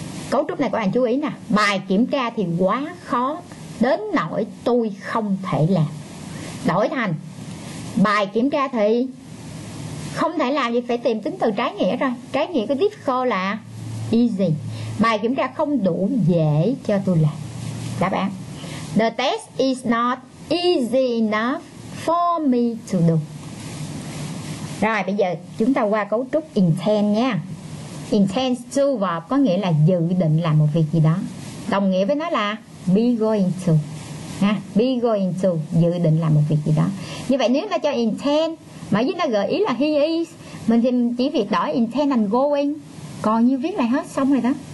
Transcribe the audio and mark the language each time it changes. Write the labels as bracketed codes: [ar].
[vi] Cấu trúc này các bạn chú ý nè. Bài kiểm tra thì quá khó đến nỗi tôi không thể làm. Đổi thành bài kiểm tra thì không thể làm gì, phải tìm tính từ trái nghĩa rồi. Trái nghĩa của difficult là easy. Bài kiểm tra không đủ dễ cho tôi làm. Đáp án [en] the test is not easy enough for me to do. [vi] Rồi bây giờ chúng ta qua cấu trúc intend nha. Intends to verb có nghĩa là dự định làm một việc gì đó. Đồng nghĩa với nó là be going to. Ha, be going to, dự định làm một việc gì đó. Như vậy nếu ta cho intend mà với ta gợi ý là he is, mình thì chỉ việc đổi intend thành going, còn như viết lại hết xong rồi đó.